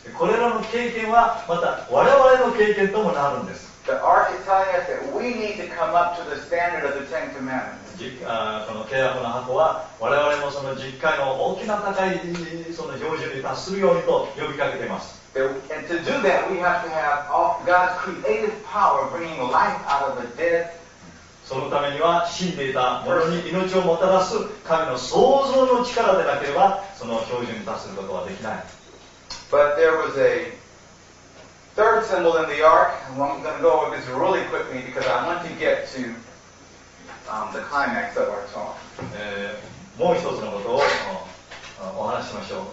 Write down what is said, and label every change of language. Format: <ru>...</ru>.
<ja>これらの経験はまた我々の経験ともなるんです。</ja> <en>The ark is telling us that we need to come up to the standard of the Ten Commandments.</en> <ja>この契約の箱は我々もその十戒の大きな高いその標準に達するようにと呼びかけています。</ja> <en>And to do that, we have to have God's creative power bringing life out of the dead.</en> <ja>そのためには死んでいたものに命をもたらす神の創造の力でなければその標準に達することはできない。</ja> <en>But there was a third symbol in the ark. I'm going to go over this really quickly because I want to get to the climax of our talk.</en> <ja>もう一つのことをお話しましょう。</ja>